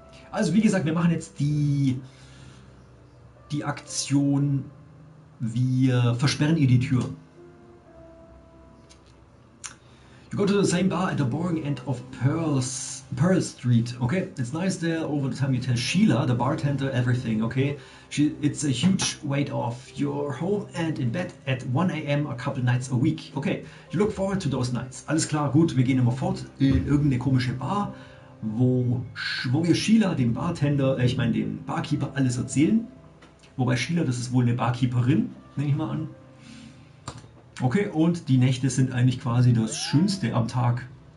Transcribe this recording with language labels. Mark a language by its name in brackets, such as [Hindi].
[German] Also, wie gesagt, wir machen jetzt die Aktion, wir versperren ihr die Tür. [English] You go to the same bar at the boring end of Pearl Street. Okay, it's nice there. Over the time you tell Sheila, the bartender, everything, okay? It's a huge weight off your home and in bed at 1 a.m. a couple nights a week. Okay, you look forward to those nights. [German] Alles klar, gut, wir gehen immer fort in irgendeine komische Bar, wo wir Sheila, dem Barkeeper, alles erzählen. Wobei Sheila, das ist wohl eine Barkeeperin, nehme ich mal an. Okay, und die Nächte sind eigentlich quasi das Schönste am Tag.